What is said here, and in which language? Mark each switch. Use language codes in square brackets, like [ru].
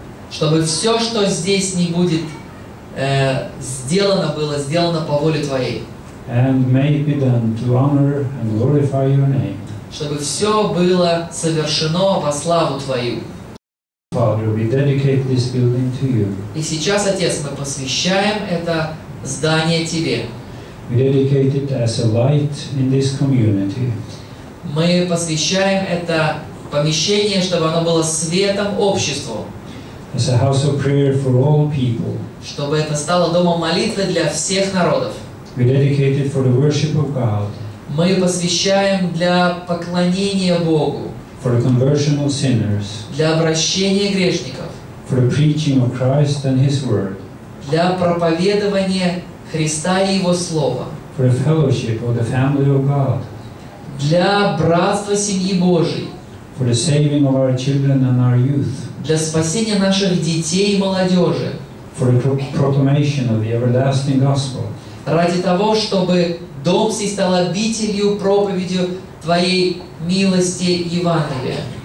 [ru] Чтобы все, что здесь не будет сделано, было сделано по воле твоей. [en] And may it be done to honor and glorify your name. [ru] Чтобы все было совершено во славу твою. [en] Father, we dedicate this building to you. [ru] И сейчас, Отец, мы посвящаем это здание тебе. [en] We dedicate it as a light in this community. [ru] Мы посвящаем это помещение, чтобы оно было светом обществу. [en] As a house of prayer for all people. [ru] Чтобы это стало домом молитвы для всех народов. [en] We dedicate it for the worship of God. [ru] Мы посвящаем для поклонения Богу. [en] For the conversion of sinners. [ru] Для обращения грешников. [en] For the preaching of Christ and His Word. [ru] Для проповедования Христа и Его Слова. [en] For the fellowship of the family of God. [ru] Для братства семьи Божией. [en] For the saving of our children and our youth. [ru] Для спасения наших детей и молодежи. [en] For the proclamation of the everlasting gospel. [ru] Ради того, чтобы дом сей стал обителью, проповедью Твоей милости Евангелия.